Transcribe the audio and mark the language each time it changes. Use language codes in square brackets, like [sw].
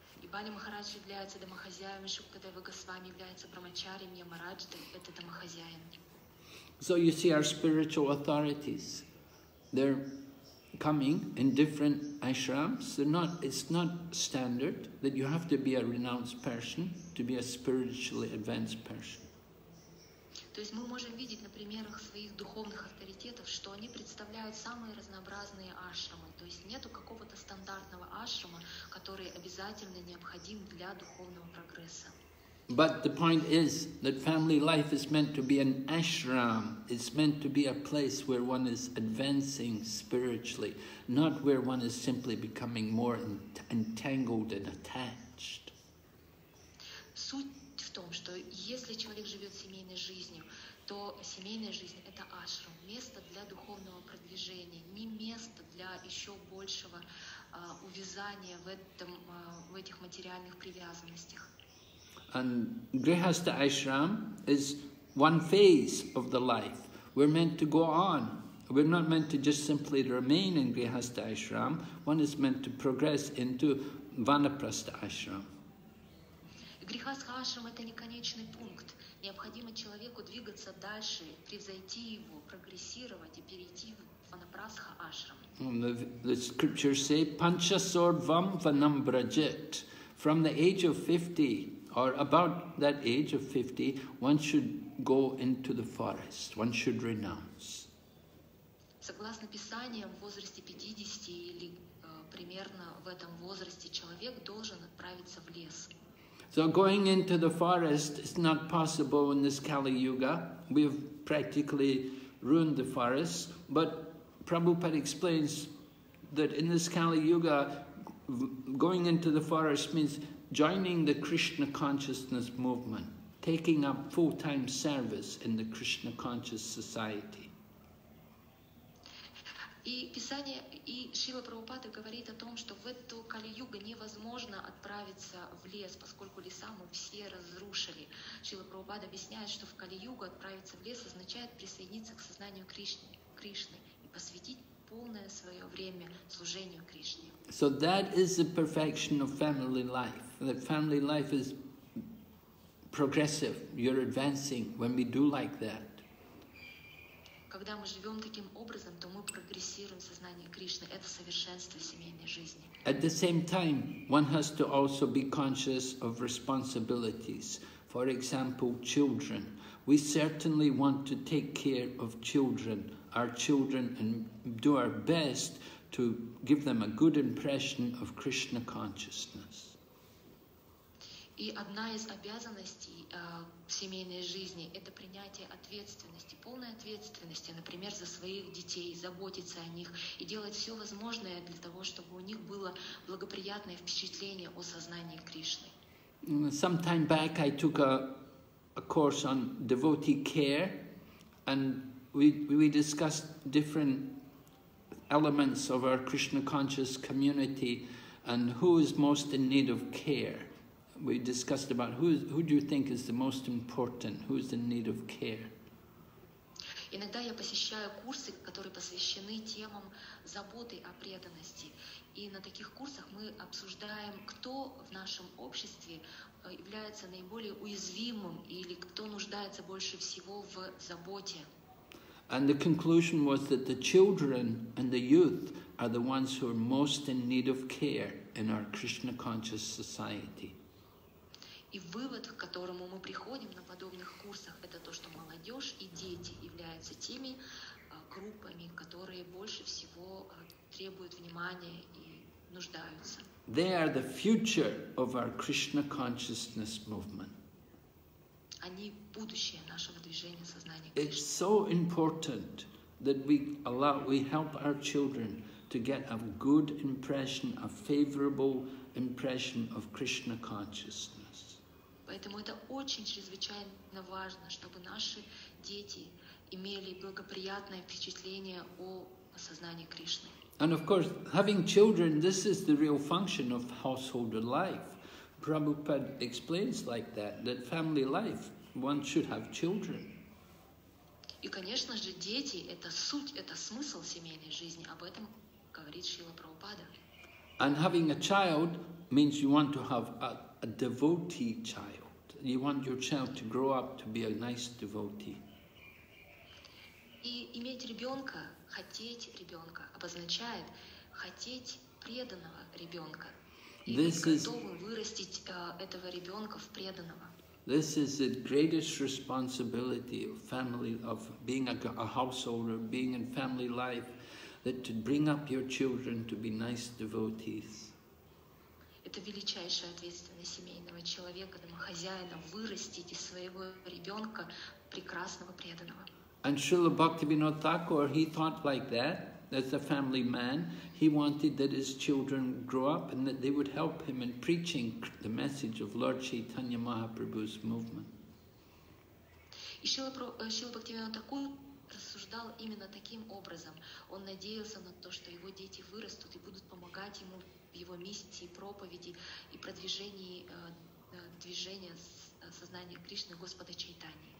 [ru] Bali Maharaj является домохозяином, Шукадева Госвами является брамачарием, Ямарадж это домохозяин. [en] So you see our spiritual authorities, they're coming in different ashrams. It's not standard that you have to be a renounced person to be a spiritually advanced person. [ru] То есть мы можем видеть на примерах своих духовных авторитетов, что они представляют самые разнообразные ашрамы. То есть нету какого-то стандартного ашрама, который обязательно необходим для духовного прогресса. [en] But the point is that family life is meant to be an ashram. It's meant to be a place where one is advancing spiritually, not where one is simply becoming more entangled and attached. [ru] Суть в том, что если человек живет семейной жизнью, то семейная жизнь – это ашрам, место для духовного продвижения, не место для еще большего увязания в этих материальных привязанностях. [en] And grihastha ashram is one phase of the life. We're meant to go on We're not meant to just simply remain in Grihastha Ashram. One is meant to progress into Vanaprastha Ashram. [ru] Грихастха ашрам – это не конечный пункт. Необходимо человеку двигаться дальше, превзойти его, прогрессировать и перейти в ванапрастха ашрам. [en] The scriptures say, [sa] panchasorvam vanam brajit. [en] From the age of 50, or about that age of 50, one should go into the forest, one should renounce. [ru] Согласно Писаниям, в возрасте 50 или примерно в этом возрасте человек должен отправиться в лес. [en] So going into the forest is not possible in this Kali Yuga. We've practically ruined the forest. But Prabhupada explains that in this Kali Yuga, going into the forest means joining the Krishna consciousness movement, taking up full-time service in the Krishna conscious society. [ru] И Писание, и Шрила Прабхупада говорит о том, что в эту Кали-Югу невозможно отправиться в лес, поскольку леса мы все разрушили. Шрила Прабхупада объясняет, что в Кали-Югу отправиться в лес означает присоединиться к сознанию Кришны и посвятить полное свое время служению Кришне. [en] So that is the perfection of family life. That family life is progressive. You're advancing when we do like that. [ru] Когда мы живем таким образом, то мы прогрессируем сознание Кришны. Это совершенство семейной жизни. [en] At the same time, one has to also be conscious of responsibilities. For example, children. We certainly want to take care of children, our children, and do our best to give them a good impression of Krishna consciousness. [ru] И одна из обязанностей в семейной жизни – это принятие ответственности, полной ответственности, например, за своих детей, заботиться о них и делать все возможное для того, чтобы у них было благоприятное впечатление о сознании Кришны. [en] Some time back I took a course on devotee care, and we discussed different elements of our Krishna conscious community and who is most in need of care. We discussed about who do you think is the most important, who is in need of care. [ru] Иногда я посещаю курсы, которые посвящены темам заботы о преданности. И на таких курсах мы обсуждаем, кто в нашем обществе является наиболее уязвимым или кто нуждается больше всего в заботе. [en] And the conclusion was that the children and the youth are the ones who are most in need of care in our Krishna conscious society. [ru] И вывод, к которому мы приходим на подобных курсах, это то, что молодежь и дети являются теми группами, которые больше всего требуют внимания и нуждаются. [en] They are the future of our Krishna consciousness movement. [ru] Они будущее нашего движения сознания. [en] It's so important that we help our children to get a good impression, a favorable impression of Krishna consciousness. [ru] Поэтому это очень чрезвычайно важно, чтобы наши дети имели благоприятное впечатление о сознании Кришны. [en] And of course, having children, this is the real function of household life. Prabhupada explains like that, that family life, one should have children. [ru] И, конечно же, дети – это суть, это смысл семейной жизни. Об этом говорит Шрила Прабхупада. [en] And having a child means you want to have a devotee child. You want your child to grow up to be a nice devotee. [ru] И иметь ребенка, хотеть ребенка, обозначает хотеть преданного ребенка. И готовы вырастить этого ребенка в преданного. [en] This is the greatest responsibility of family, of being a householder, being in family life, that to bring up your children to be nice devotees. [ru] Это величайшая ответственность семейного человека, домохозяина, вырастить из своего ребенка прекрасного преданного. [en] And Srila Bhaktivinoda Thakur, he thought like that, as a family man, he wanted that his children grow up and that they would help him in preaching the message of Lord Chaitanya Mahaprabhu's movement. [ru] И Шрила Бхактивинода Такур рассуждал именно таким образом. Он надеялся на то, что его дети вырастут и будут помогать ему в его миссии, проповеди и продвижении движения сознания Кришны, Господа Чайтани.